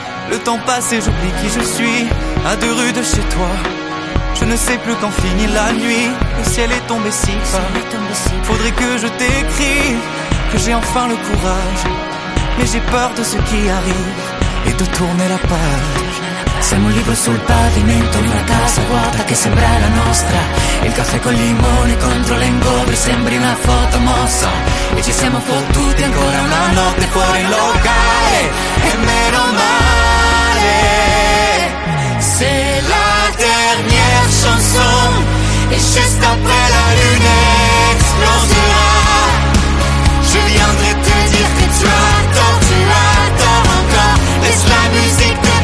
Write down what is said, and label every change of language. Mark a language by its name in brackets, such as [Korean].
[French] Le temps passe et j'oublie qui je suis, à deux rues de chez toi. Je ne sais plus quand finit la nuit, le ciel est tombé si bas. Faudrait que je t'écris, que j'ai enfin le courage. Mais j'ai peur de ce qui arrive et de tourner la page. [Italian] Siamo un libro sul pavimento, una casa vuota che sembra la nostra. Il caffè col limone contro l'ingombro sembri una foto mossa. E ci siamo fottuti ancora una notte fuori in locale. E meno male se [French] la dernière chanson et juste après la lune explosera. Je viendrai te dire que tu as tort, tu as tort encore. Laisse la musique.